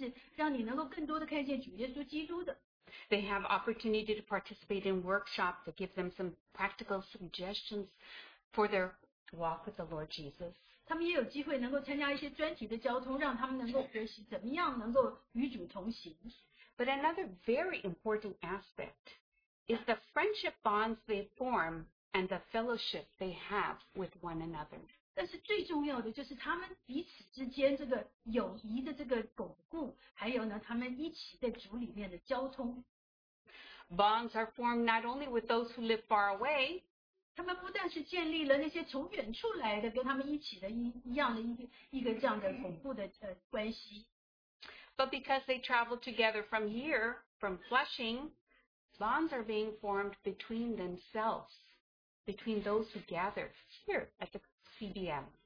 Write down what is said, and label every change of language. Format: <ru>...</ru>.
<zh>那在这样的特会，你可以听到一些很好的信息，是让你能够更多的看见主耶稣基督的。</zh> <en>They have opportunity to participate in workshops that give them some practical suggestions for their walk with the Lord Jesus.</en> <zh>他们也有机会能够参加一些专题的交通，让他们能够学习怎么样能够与主同行。</zh> <en>But another very important aspect is the friendship bonds they form and the fellowship they have with one another.</en> <zh>但是最重要的就是他们彼此之间这个友谊的这个巩固，还有呢，他们一起在主里面的交通。</zh> <en>Bonds are formed not only with those who live far away,</en> <zh>他们不但是建立了那些从远处来的跟他们一起的一样的一个这样的恐怖的关系。</zh> <en>But because they travel together from here, from Flushing, bonds are being formed between themselves, between those who gather here at the CBM.</en>